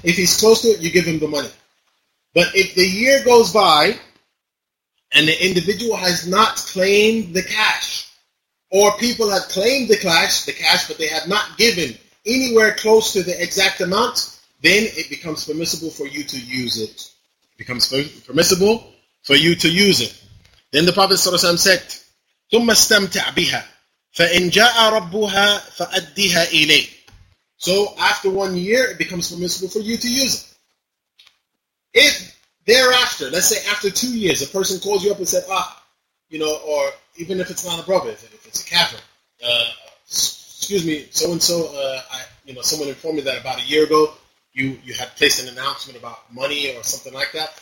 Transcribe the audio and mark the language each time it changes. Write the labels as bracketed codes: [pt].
[en] If he's close to it, you give him the money. But if the year goes by, and the individual has not claimed the cash, or people have claimed the cash, but they have not given anywhere close to the exact amount, then it becomes permissible for you to use it. It becomes permissible for you to use it. Then the Prophet ﷺ said, [ar] ثُمَّ اسْتَمْتَعْ بِهَا فَإِنْ جَاءَ رَبُّهَا فَأَدِّهَا إِلَيْهِ. [en] So after 1 year, it becomes permissible for you to use it. If thereafter, let's say after 2 years, a person calls you up and said, ah, you know, or even if it's not a brother, if it's a kafir, excuse me, so-and-so, someone informed me that about a year ago, you had placed an announcement about money or something like that.